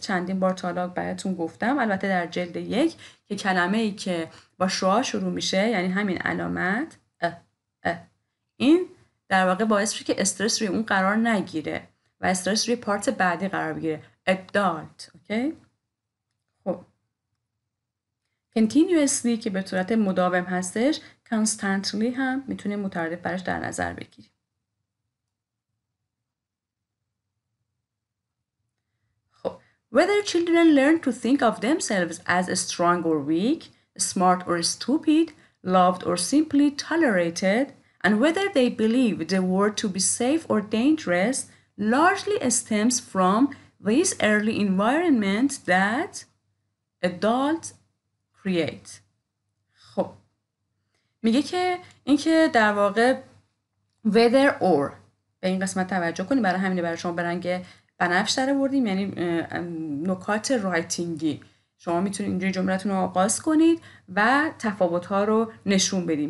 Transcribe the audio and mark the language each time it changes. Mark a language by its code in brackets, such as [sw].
[fa] چندین بار تا حالا براتون گفتم البته در جلد یک که کلمه ای که با شوا شروع میشه یعنی همین علامت این در واقع باعث میشه که استرس روی اون قرار نگیره و استرس روی پارت بعدی قرار بگیره. adult اوکی؟ continuously که به طورت مداوم هستش، constantly هم میتونه مترادف برش در نظر بگیریم. [en] خب whether children learn to think of themselves as strong or weak, smart or stupid, loved or simply tolerated, and whether they believe the world to be safe or dangerous largely stems from this early environment that adults create. [fa] خب میگه که اینکه در واقع whether or به این قسمت توجه کنیم، برای همینه برای شما برنگ بنفش داره بردیم، یعنی نکات رایتینگی. شما میتونید اینجوری جملتون رو آغاز کنید و تفاوت‌ها رو نشون بدیم.